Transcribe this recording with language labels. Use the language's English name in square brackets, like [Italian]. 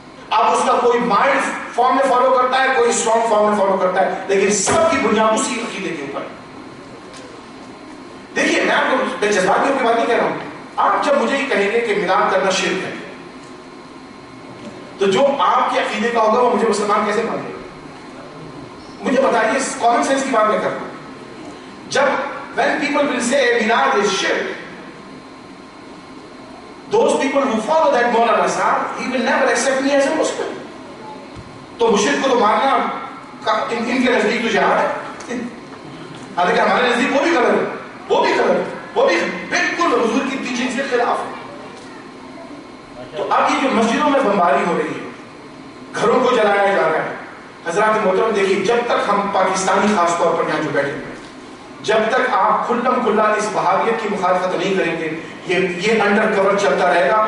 [Urdu] اب اس کا کوئی مائلڈ فارم میں فالو کرتا ہے, کوئی اسٹرانگ فارم میں فالو کرتا ہے, لیکن سب کی بنیاد اسی عقیدے کے اوپر. دیکھیے, میں آپ کو بے جذباتیوں کی بات نہیں کہہ رہا ہوں. آپ جب مجھے یہ کہیں گے کہ میلاد کرنا شرک ہے, تو جو آپ کے عقیدے کا ہوگا وہ مجھے مسلمان کیسے مانے گا؟ مجھے بتائیے, کامن سینس کی بات میں کر رہا ہوں. [English] جب when people will say میلاد is شرک, those people who follow that مولانا صاحب, he will never accept me as a Muslim. [Urdu] تو مشرک کو تو ماننا ان کے نزدیک تو جہاد ہے, حالانکہ ہمارے نزدیک وہ بھی غلط ہے, وہ بھی غلط ہے, وہ بھی بالکل حضور کی ٹیچنگ کے خلاف ہے. تو اب یہ جو مسجدوں میں بمباری ہو رہی ہے, گھروں کو جلایا جا رہا ہے, حضرات محترم دیکھیے, جب تک ہم پاکستانی خاص طور پر یہاں جو بیٹھے ہیں, جب تک آپ کھلم کھلا اس وہابیت کی مخالفت نہیں کریں گے, یہ انڈر کور چلتا رہے گا.